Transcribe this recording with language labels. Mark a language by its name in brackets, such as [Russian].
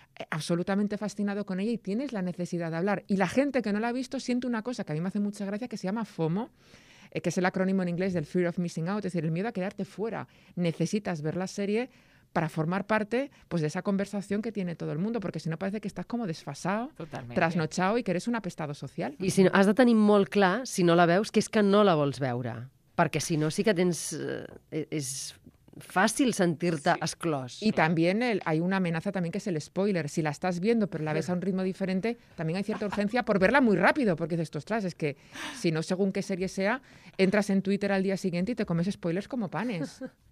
[Spanish] absolutamente fascinado con ella y tienes la necesidad de hablar. Y la gente que no la ha visto siente una cosa que a mí me hace mucha gracia, que se llama FOMO, que es el acrónimo en inglés del Fear of Missing Out, es decir, el miedo a quedarte fuera. Necesitas ver la serie para formar parte pues, de esa conversación que tiene todo el mundo, porque si no parece que estás como desfasado, totalmente. Trasnochado y que eres un apestado social. [Catalan] Y si no, has de tenir molt clar, si no la veus, que és que no la vols veure. Perquè si no, sí que tens... és... fácil sentirte exclòs. Sí. [Spanish] Y también hay una amenaza también que es el spoiler. Si la estás viendo pero la ves a un ritmo diferente, también hay cierta urgencia por verla muy rápido, porque dices, ostras, es que si no según qué serie sea, entras en Twitter al día siguiente y te comes spoilers como panes.